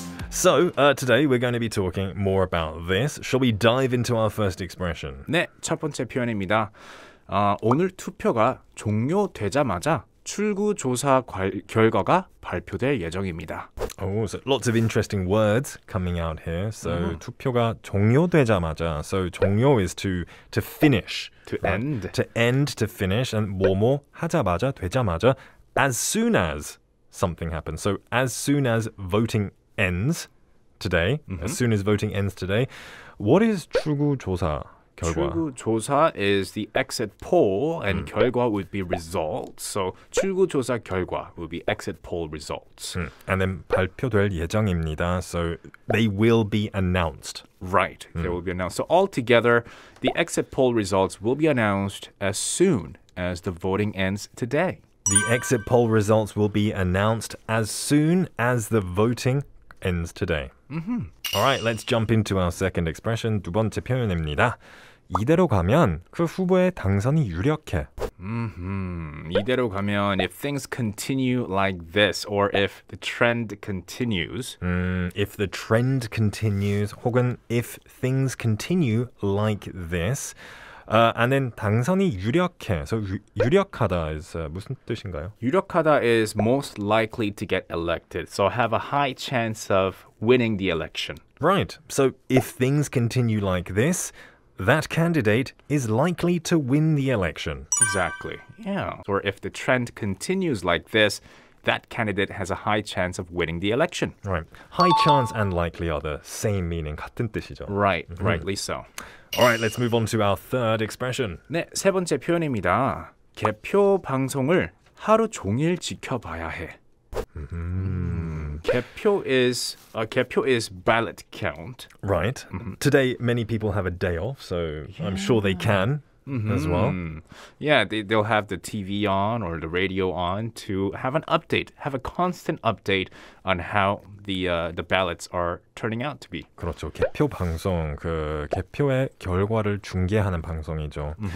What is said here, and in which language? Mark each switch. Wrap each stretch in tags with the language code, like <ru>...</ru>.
<en>So, today we're going to be talking more about this. Shall we dive into our first expression?</en> <ko>네, 첫 번째 표현입니다. 오늘 투표가 종료되자마자 출구 조사 결과가 발표될 예정입니다.</ko> <en>Oh, so lots of interesting words coming out here. So,</en> <ko>투표가 종료되자마자.</ko> <en>So, 종료 is to finish. To right? end. To end, to finish. And</en> <ko>뭐뭐 하자마자, 되자마자.</ko> <en>As soon as something happens. So, as soon as voting ends today, as soon as voting ends today, what is</en> <ko>출구 조사 결과? 출구 조사</ko> <en>is the exit poll, and</en> <ko>결과</ko> <en>would be results. So</en> <ko>출구 조사 결과</ko> <en>would be exit poll results. And then</en> <ko>발표될 예정입니다.</ko> <en>So they will be announced. Right, they will be announced. So altogether, the exit poll results will be announced as soon as the voting ends today. The exit poll results will be announced as soon as the voting ends today. All right, let's jump into our second expression.</en> <ko>두 번째 표현입니다. 이대로 가면 그 후보의 당선이 유력해.</ko> <en>Mm-hmm.</en> <ko>이대로 가면,</ko> <en>if things continue like this, or if the trend continues. If the trend continues,</en> <ko>혹은</ko> <en>if things continue like this. And then</en> <ko>당선이 유력해.</ko> <en>So</en> <ko>유력하다 is 무슨 뜻인가요?</ko> <en>유력하다 is most likely to get elected. So have a high chance of winning the election. Right. So if things continue like this, that candidate is likely to win the election. Exactly. Yeah. Or if the trend continues like this, that candidate has a high chance of winning the election. Right. High chance and likely are the same meaning.</en> <ko>같은 뜻이죠.</ko> <en>Right. Rightly so. All right, let's move on to our third expression.</en> <ko>네, 세 번째 표현입니다. 개표 방송을 하루 종일 지켜봐야 해.</ko> <en>개표 is ballot count. Right. Today, many people have a day off, so yeah. I'm sure they can as well. Yeah, they'll have the TV on or the radio on to have an update, have a constant update on how the ballots are turning out to be.</en> <ko>그렇죠. 개표 방송, 그 개표의 결과를 중계하는 방송이죠.</ko>